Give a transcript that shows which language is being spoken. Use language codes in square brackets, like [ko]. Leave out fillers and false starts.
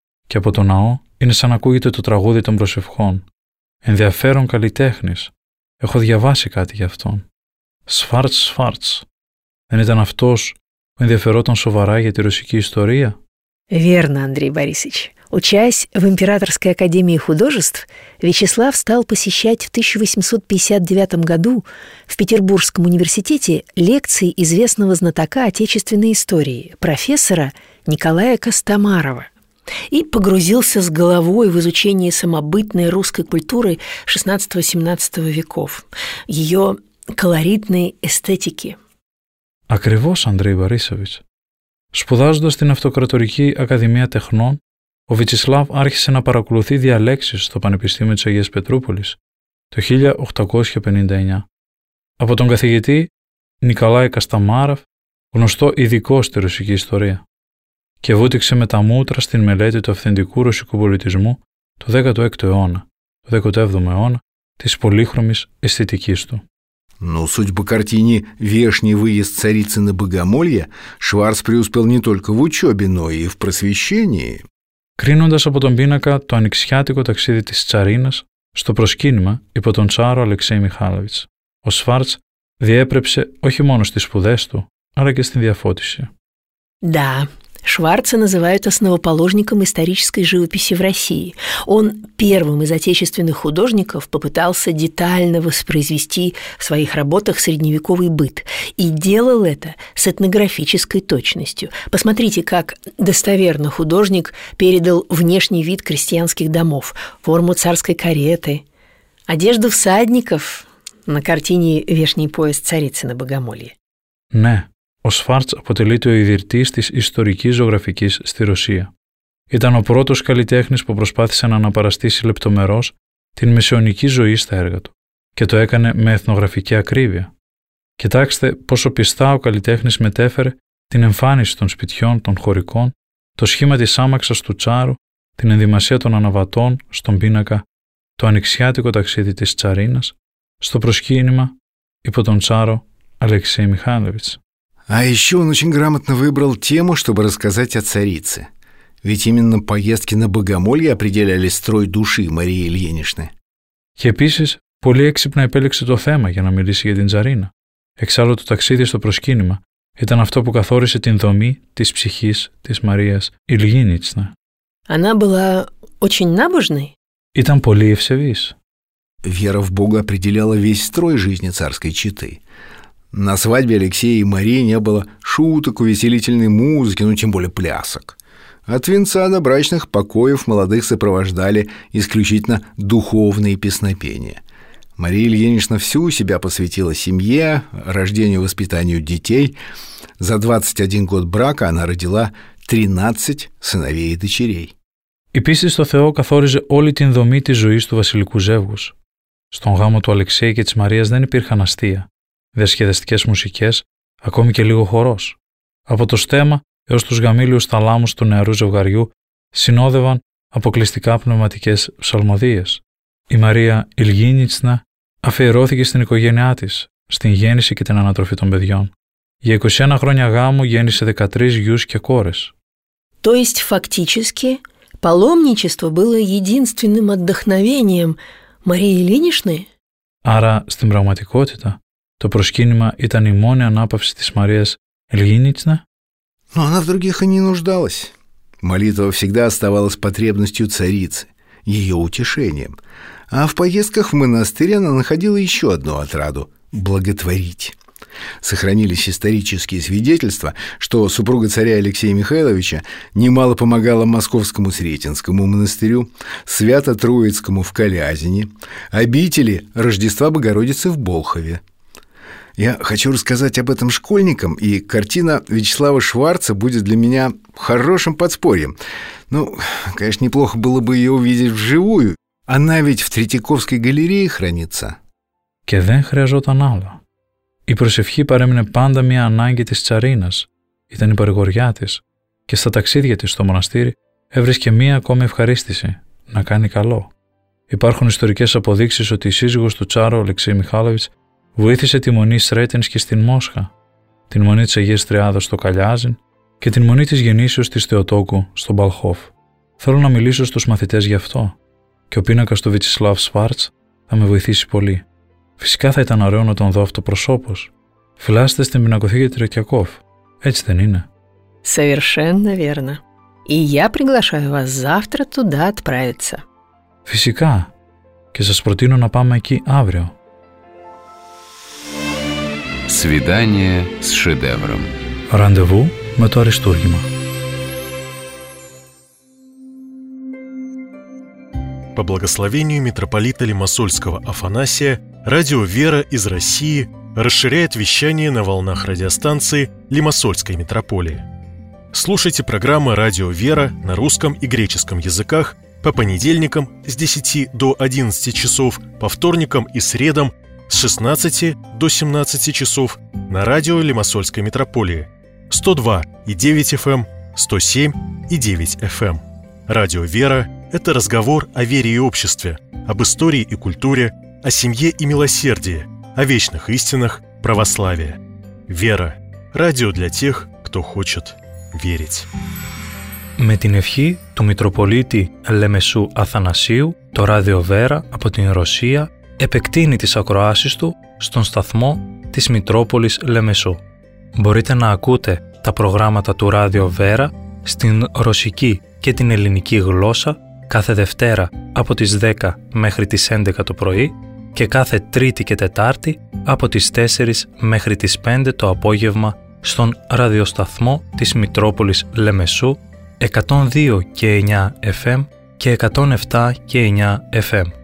[el] Και από το ναό είναι σαν ακούγεται το τραγούδι των προσευχών. Ενδιαφέρον καλλιτέχνης. Έχω διαβάσει κάτι γι' αυτόν. Σφάρτς. Δεν ήταν αυτός που ενδιαφερόταν σοβαρά για τη ρωσική ιστορία? [ru] Верно, Андрей Борисович. Учась в Императорской Академии Художеств, Вячеслав стал посещать в 1859 году в Петербургском университете лекции известного знатока отечественной истории, профессора Николая Костомарова, и погрузился с головой в изучение самобытной русской культуры XVI-XVII веков, ее колоритной эстетики. [el] Ακριβώς, Андрей Борисович. Σπουδάζοντας στην Αυτοκρατορική Ακαδημία Τεχνών, ο Βιτσισλάβ άρχισε να παρακολουθεί διαλέξεις στο Πανεπιστήμιο της Αγίας Πετρούπολης το 1859 από τον καθηγητή Νικολάη Καστομάροφ, γνωστό ειδικό στη ρωσική ιστορία, και βούτυξε με τα μούτρα στην μελέτη του αυθεντικού ρωσικού πολιτισμού του 16ου αιώνα, του 17ου αιώνα, της πολύχρωμης αισθητικής του. [ru] Но судьба картины «Вешний выезд царицы на Богомолье» Шварц преуспел не только в учебе, но и в просвещении. [el] Κρίνοντας από τον πίνακα το ανοιξιάτικο ταξίδι της Τσαρίνας στο προσκύνημα υπό τον Τσάρο Αλεξέη Μιχάλεβιτς, ο Σφάρτς διέπρεψε όχι μόνο στις σπουδές του, αλλά και στην διαφώτιση. [ru] Да, Шварца называют основоположником исторической живописи в России. Он первым из отечественных художников попытался детально воспроизвести в своих работах средневековый быт. И делал это с этнографической точностью. Посмотрите, как достоверно художник передал внешний вид крестьянских домов, форму царской кареты, одежду всадников на картине «Вешний поезд царицы на Богомолье». Не. [el] Ο Σφάρτς αποτελείται ο ιδρυτής της ιστορικής ζωγραφικής στη Ρωσία. Ήταν ο πρώτος καλλιτέχνης που προσπάθησε να αναπαραστήσει λεπτομερώς την μεσαιωνική ζωή στα έργα του και το έκανε με εθνογραφική ακρίβεια. Κοιτάξτε πόσο πιστά ο καλλιτέχνης μετέφερε την εμφάνιση των σπιτιών, των χωρικών, το σχήμα της άμαξας του τσάρου, την ενδυμασία των αναβατών στον πίνακα, το ανοιξιάτικο ταξίδι της Τσαρίνας, στο προσκύνημα υπό τον τσάρο Αλεξέη Μιχάλεβιτς. [ru] А еще он очень грамотно выбрал тему, чтобы рассказать о царице. Ведь именно поездки на Богомолье определяли строй души Марии Ильиничны. [el] Και επίσης, πολύ έξυπνα επέλεξε το θέμα για να μιλήσει για την Τζαρίνα. Εξάλλου το ταξίδι στο προσκύνημα ήταν αυτό που καθόρισε την δομή της ψυχής της Μαρίας Ильиничны. [ru] Она была очень набожной? [el] Ήταν πολύ ευσεβής. [ru] Вера в Бога определяла весь строй жизни царской четы. На свадьбе Алексея и Марии не было шуток, увеселительной музыки, ну тем более плясок. От венца до брачных покоев молодых сопровождали исключительно духовные песнопения. Мария Ильинична всю себя посвятила семье, рождению и воспитанию детей. За 21 год брака она родила 13 сыновей и дочерей. [el] Η πίστη στο Θεό καθόριζε όλη την δομή της ζωής του βασιλικού ζεύγους. Στον γάμο του Αλεξέη και της Μαρίας δεν υπήρχαν αστεία, διασκεδαστικές μουσικές, ακόμη και λίγο χορός. Από το στέμα έως τους γαμήλιους θαλάμους του νεαρού ζευγαριού συνόδευαν αποκλειστικά πνευματικές ψαλμωδίες. Η Μαρία Ιλγίνιτσνα αφιερώθηκε στην οικογένειά της, στην γέννηση και την ανατροφή των παιδιών. Για 21 χρόνια γάμου γέννησε 13 γιους και κόρες. [ru] То есть фактически паломничество было единственным отдохновением Марии Ильиничны? [el] Άρα, στην πραγματικότητα, το προσκύνημα ήταν η μόνη ανάπαυση της Μαρίας Ильиничны? [ru] Но она в других и не нуждалась. Молитва всегда оставалась потребностью царицы, ее утешением. А в поездках в монастырь она находила еще одну отраду – благотворить. Сохранились исторические свидетельства, что супруга царя Алексея Михайловича немало помогала Московскому Сретенскому монастырю, Свято-Троицкому в Калязине, обители Рождества Богородицы в Болхове. Я хочу рассказать об этом школьникам, и картина Вячеслава Шварца будет для меня хорошим подспорьем. Ну, конечно, неплохо было бы ее увидеть вживую. Она ведь в Третьяковской галерее хранится. [el] Και δεν χρειαζόταν άλλο. Η προσευχή παρέμεινε πάντα μια ανάγκη της τσαρίνας. Ήταν η παρηγοριά της. Και στα ταξίδια της στο μοναστήρι έβρισκε μια ακόμη ευχαρίστηση. Να κάνει καλό. Υπάρχουν ιστορικές αποδείξεις ότι η σύζυγος του τσάρου Αλεξέη Μιχάλοβιτς βοήθησε τη μονή Σρέτενσκη στην Μόσχα, τη μονή της Αγίας Τριάδος στο Καλιάζιν και τη μονή της Γεννήσεως της Θεοτόκου στον Μπαλχόφ. Θέλω να μιλήσω στους μαθητές γι' αυτό και ο πίνακας του Βιτσισλάβ Σφάρτς θα με βοηθήσει πολύ. Φυσικά θα ήταν ωραίο να τον δω αυτοπροσώπως. Φυλάστε στην πινακοθήκη Τριακιακόφ. Έτσι δεν είναι? [ru] Совершенно верно. И я приглашаю вас завтра туда отправиться. [el] Φυσικά. Και σας προτείνω να πάμε εκεί αύριο. [ru] Свидание с шедевром. [el] Ραντεβού με το Αριστούργημα. [ru] По благословению митрополита Лимассольского Афанасия, радио «Вера» из России расширяет вещание на волнах радиостанции Лимассольской митрополии. Слушайте программы «Радио «Вера» на русском и греческом языках по понедельникам с 10 до 11 часов, по вторникам и средам с 16 до 17 часов на радио Лимассольской митрополии 102.9 FM, 107.9 FM. Радио «Вера» – это разговор о вере и обществе, об истории и культуре, о семье и милосердии, о вечных истинах православия. «Вера» – радио для тех, кто хочет верить. [el] Με την ευχή του Μητροπολίτη Λεμεσού Αθανασίου, το Ράδιο «Βέρα» από την Ρωσία επεκτείνει τις ακροάσεις του στον σταθμό της Μητρόπολης Λεμεσού. Μπορείτε να ακούτε τα προγράμματα του Ράδιο «Βέρα» στην ρωσική και την ελληνική γλώσσα κάθε Δευτέρα από τις 10 μέχρι τις 11 το πρωί και κάθε Τρίτη και Τετάρτη από τις 4 μέχρι τις 5 το απόγευμα στον ραδιοσταθμό της Μητρόπολης Λεμεσού 102 και 9 FM και 107 και 9 FM.